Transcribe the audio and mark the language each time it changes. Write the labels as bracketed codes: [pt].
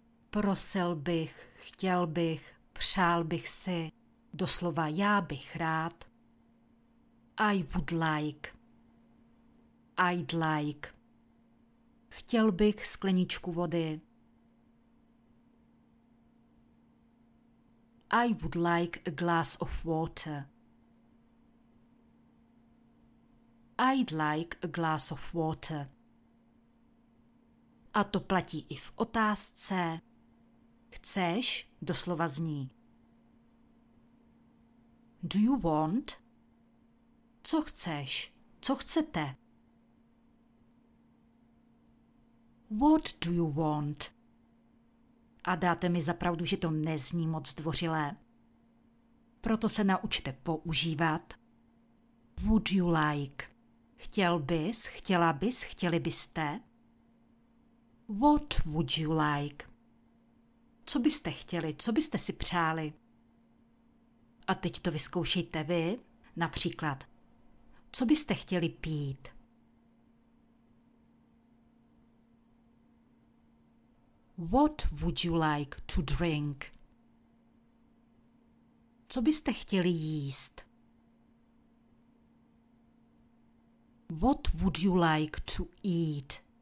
[cs] Prosil bych, chtěl bych, přál bych si. Doslova já bych rád. [en] I would like. I'd like. [cs] Chtěl bych skleničku vody. [en] I would like a glass of water. I'd like a glass of water. [cs] A to platí i v otázce. Chceš? Doslova zní. [en] Do you want? [cs] Co chceš? Co chcete? [en] What do you want? [cs] A dáte mi za pravdu, že to nezní moc zdvořilé. Proto se naučte používat. [en] Would you like? [cs] Chtěl bys, chtěla bys, chtěli byste? [en] What would you like? [cs] co byste chtěli, co byste si přáli. A teď to vyzkoušejte vy, například, co byste chtěli pít. [en] What would you like to drink? [cs] Co byste chtěli jíst? [en] What would you like to eat?